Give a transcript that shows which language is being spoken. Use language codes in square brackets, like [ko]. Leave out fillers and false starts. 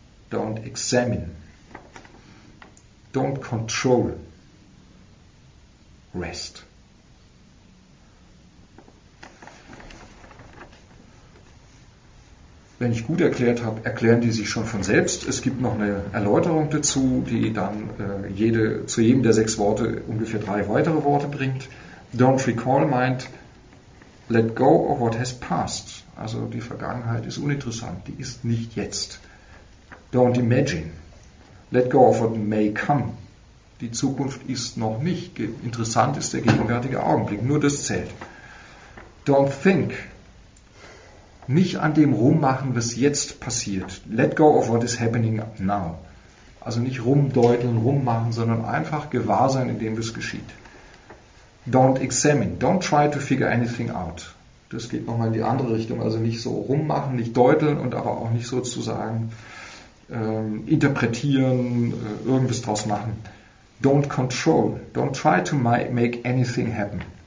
[en] Don't examine. Don't control. Rest. [de] Wenn ich gut erklärt habe, erklären die sich schon von selbst. Es gibt noch eine Erläuterung dazu, die dann zu jedem der sechs Worte ungefähr drei weitere Worte bringt. [en] Don't recall meint, let go of what has passed. [de] Also die Vergangenheit ist uninteressant, die ist nicht jetzt. [en] Don't imagine, let go of what may come. [de] Die Zukunft ist noch nicht. Interessant ist der gegenwärtige Augenblick, nur das zählt. [en] Don't think. [de] Nicht an dem rummachen, was jetzt passiert. [en] Let go of what is happening now. [de] Also nicht rumdeuteln, rummachen, sondern einfach gewahr sein, in dem was geschieht. [en] Don't examine. Don't try to figure anything out. [de] Das geht nochmal in die andere Richtung. Also nicht so rummachen, nicht deuteln und aber auch nicht sozusagen interpretieren, irgendwas draus machen. [en] Don't control. Don't try to make anything happen.